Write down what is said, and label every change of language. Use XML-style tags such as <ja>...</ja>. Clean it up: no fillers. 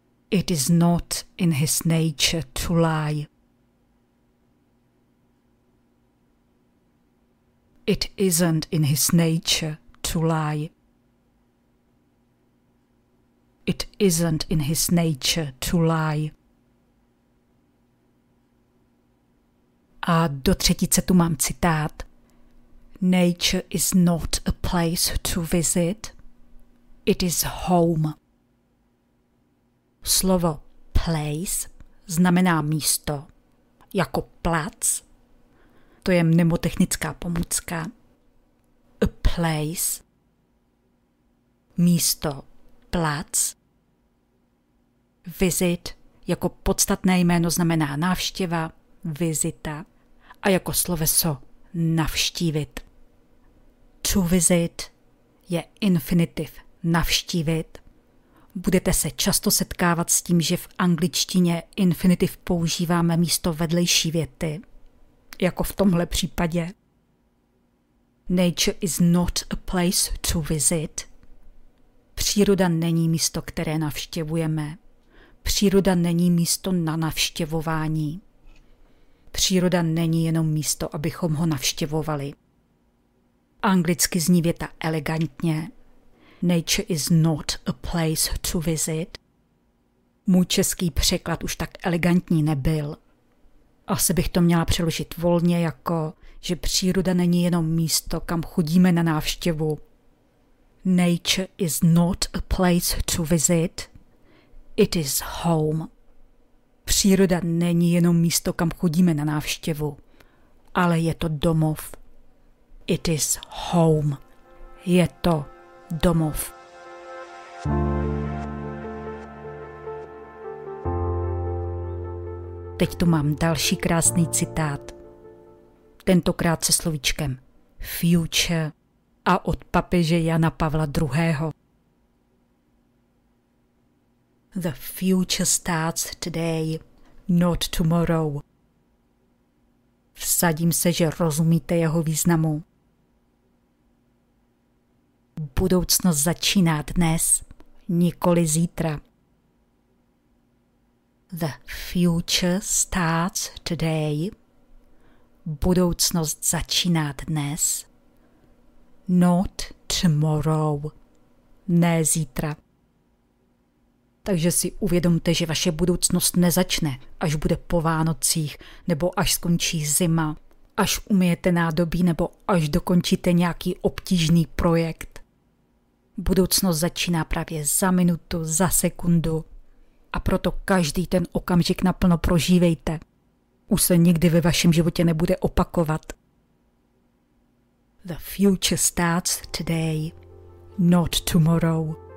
<en>It is not in his nature to lie. It isn't in his nature to lie. It isn't in his nature to lie.</en> <cs>A do třetice tu mám citát.</cs> <en>Nature is not a place to visit. It is home.</en> <cs>Slovo place znamená místo, jako plac. To je mnemotechnická pomůcka. A place. Místo, plac. Visit jako podstatné jméno znamená návštěva, vizita. A jako sloveso navštívit. To visit je infinitiv navštívit. Budete se často setkávat s tím, že v angličtině infinitiv používáme místo vedlejší věty. Jako v tomhle případě.</cs> <en>Nature is not a place to visit.</en> <cs>Příroda není místo, které navštěvujeme. Příroda není místo na navštěvování. Příroda není jenom místo, abychom ho navštěvovali. Anglicky zní věta elegantně.</cs> <en>Nature is not a place to visit.</en> <cs>Můj český překlad už tak elegantní nebyl. Asi bych to měla přeložit volně jako, že příroda není jenom místo, kam chodíme na návštěvu.</cs> <en>Nature is not a place to visit. It is home.</en> <cs>Příroda není jenom místo, kam chodíme na návštěvu, ale je to domov.</cs> <en>It is home.</en> <cs>Je to domov. Teď tu mám další krásný citát. Tentokrát se slovíčkem future a od papeže Jana Pavla II.</cs> <en>The future starts today, not tomorrow.</en> <cs>Vsadím se, že rozumíte jeho významu. Budoucnost začíná dnes, nikoli zítra.</cs> <en>The future starts today.</en> <cs>Budoucnost začíná dnes.</cs> <en>Not tomorrow.</en> <cs>Ne zítra. Takže si uvědomte, že vaše budoucnost nezačne, až bude po Vánocích, nebo až skončí zima, až umyjete nádobí, nebo až dokončíte nějaký obtížný projekt. Budoucnost začíná právě za minutu, za sekundu. A proto každý ten okamžik naplno prožívejte. Už se nikdy ve vašem životě nebude opakovat.</cs> <en>The future starts today, not tomorrow.</en>